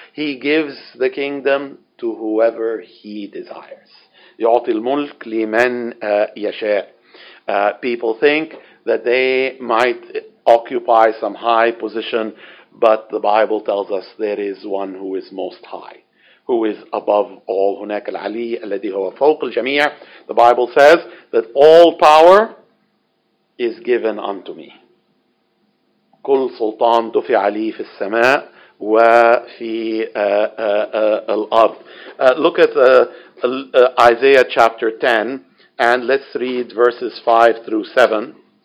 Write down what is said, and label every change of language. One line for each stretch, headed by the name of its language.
English: He gives the kingdom to whoever he desires.
Arabic: يعطي الملك لمن يشاء.
English: People think that they might occupy some high position, but the Bible tells us there is one who is most high, who is above all.
Arabic: هناك العلي الذي هو فوق الجميع.
English: The Bible says that all power is given unto me.
Arabic: كل سلطان دفع لي في السماء وفي الأرض.
English: Look at Isaiah chapter 10, and let's read verses 5 through 7.